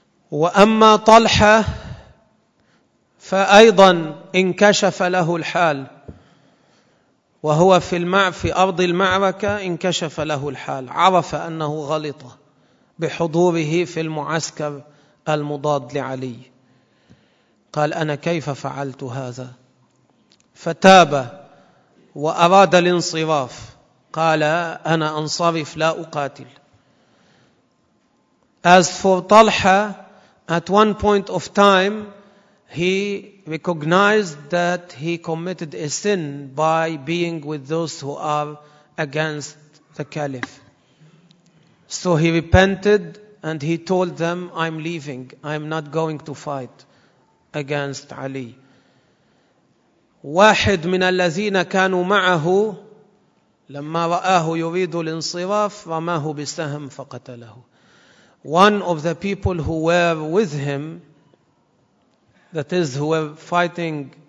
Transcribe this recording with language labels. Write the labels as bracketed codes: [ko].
[ar] وأما طلحة فأيضا انكشف له الحال وهو في في أرض المعركة انكشف له الحال عرف أنه غلط بحضوره في المعسكر المضاد لعلي قال أنا كيف فعلت هذا فتاب وأراد الانصراف قال أنا أنصرف لا أقاتل. [en] As for Talha, at one point of time, he recognized that he committed a sin by being with those who are against the caliph. So he repented and he told them, I'm leaving, I'm not going to fight against Ali. [ar] واحد من الذين كانوا معه لما رآه يريد الانصراف رماه بسهم فقتله. [en] One of the people who were with him, that is, who were fighting